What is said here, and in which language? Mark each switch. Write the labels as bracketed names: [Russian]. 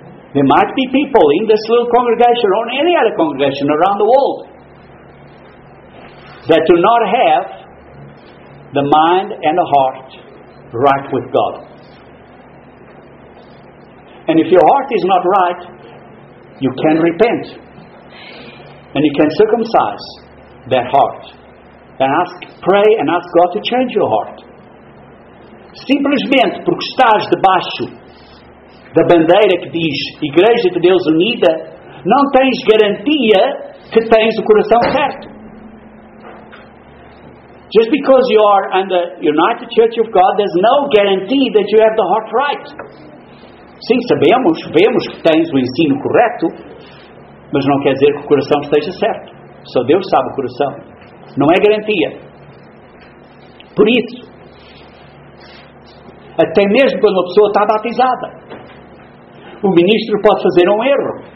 [English] There might be people in this little congregation or in any other congregation around the world that do not have the mind and the heart right with God. And if your heart is not right, you can repent. And you can circumcise that heart. And pray and ask God to change your heart. [Portuguese] Simplesmente porque estás debaixo da bandeira que diz Igreja de Deus Unida, não tens garantia que tens o coração certo. [English] Just because you are under United Church of God, there's no guarantee that you have the heart right. [Portuguese] Sim, sabemos, vemos que tens o ensino correto, mas não quer dizer que o coração esteja certo. Só Deus sabe o coração. Não é garantia. Por isso, até mesmo quando uma pessoa está batizada, o ministro pode fazer um erro.